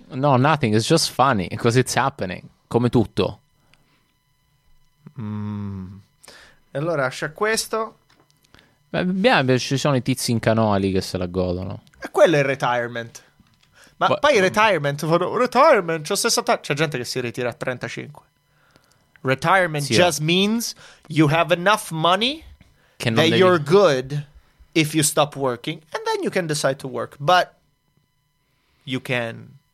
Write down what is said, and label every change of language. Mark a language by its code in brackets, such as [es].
[en] No, nothing, it's just funny, because it's happening, [it] come tutto. E allora, lascia questo. Ci sono i tizi in canoa lì che se la godono. E quello è il retirement. Ma poi retirement, c'ho 60, c'è gente che si ritira a 35. [en] Retirement sì, just means you have enough money that devi, you're good if you stop working and then you can decide to work, but you can.